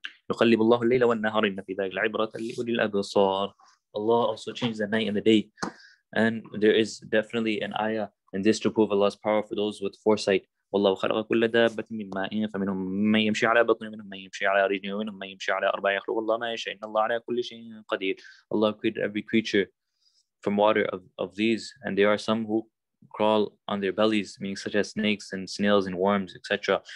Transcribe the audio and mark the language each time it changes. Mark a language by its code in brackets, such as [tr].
[ar] يُقَلِّبُ اللَّهُ اللَّيْلَ وَالنَّهَارَ إِنَّ فِي ذَلِكَ لَعِبْرَةً لِأُولِي الْأَبْصَارِ. [en] Allah also changes the night and the day, and there is definitely an ayah in this to prove Allah's power for those with foresight. [ar] والله خلق كل دابة من ماء فمنهم من يمشي على بطن ومنهم من يمشي على رجل ومنهم من يمشي على أربع يخلق الله ما يشاء إن الله على كل شيء قدير. [en] Allah created every creature from water of these, and there are some who crawl on their bellies, meaning such as snakes and snails and worms, etc.